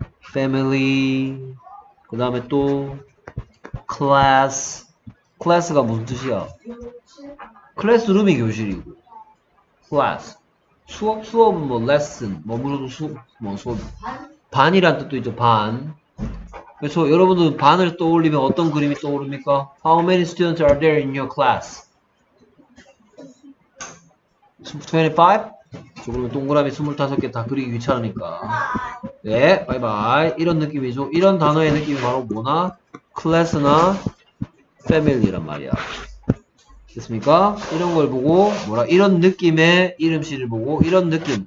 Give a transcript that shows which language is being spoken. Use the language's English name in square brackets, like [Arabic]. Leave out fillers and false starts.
[Korean] family, 그 다음에 또, class. class가 무슨 뜻이야? 클래스룸이 교실이고. class. 수업은 뭐, lesson. 뭐, 물어도 뭐, 수업. 반이란 뜻도 있죠, 반. 그래서 여러분들 반을 떠올리면 어떤 그림이 떠오릅니까? [English] How many students are there in your class? [Korean] 25? 그러면 동그라미 25개 다 그리기 귀찮으니까. 네, 바이바이. 이런 느낌이죠. 이런 단어의 느낌이 바로 뭐나? 클래스나 패밀리란 말이야. 됐습니까? 이런 걸 보고, 뭐라, 이런 느낌의 이름씨를 보고, 이런 느낌.